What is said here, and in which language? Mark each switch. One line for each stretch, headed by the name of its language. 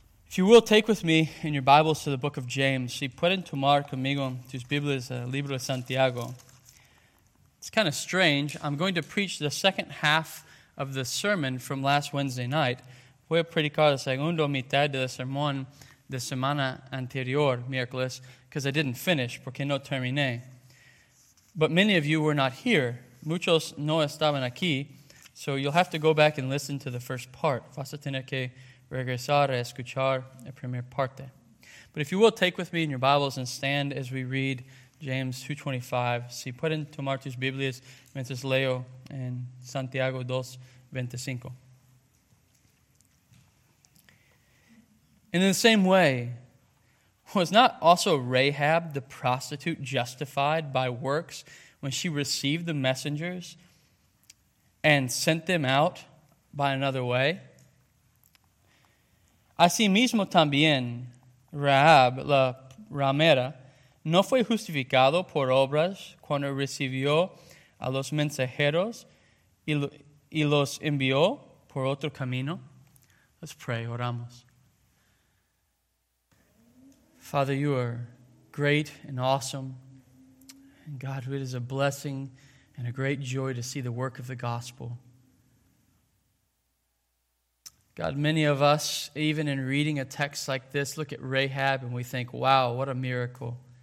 English: If you will, take with me in your Bibles to the book of James.
Spanish: Si pueden tomar conmigo tus Biblias, libro de Santiago.
English: It's kind of strange. I'm going to preach the second half of the sermon from last Wednesday night.
Spanish: Voy a predicar la segunda mitad del sermón de semana anterior, miércoles,
English: because I didn't finish,
Spanish: porque no terminé.
English: But many of you were not here.
Spanish: Muchos no estaban aquí.
English: So you'll have to go back and listen to the first part.
Spanish: Vas a tener que regresar a escuchar la primera parte.
English: But if you will, take with me in your Bibles and stand as we read James 2:25.
Spanish: Si pueden tomar tus Biblias mientras leo en Santiago 2:25.
English: In the same way, was not also Rahab the prostitute justified by works when she received the messengers and sent them out by another way?
Spanish: Asimismo también, Rahab, la ramera, no fue justificado por obras cuando recibió a los mensajeros y los envió por otro camino.
English: Let's pray, oramos. Father, you are great and awesome. And God, it is a blessing and a great joy to see the work of the gospel. God, many of us, even in reading a text like this, look at Rahab and we think, wow, what a miracle.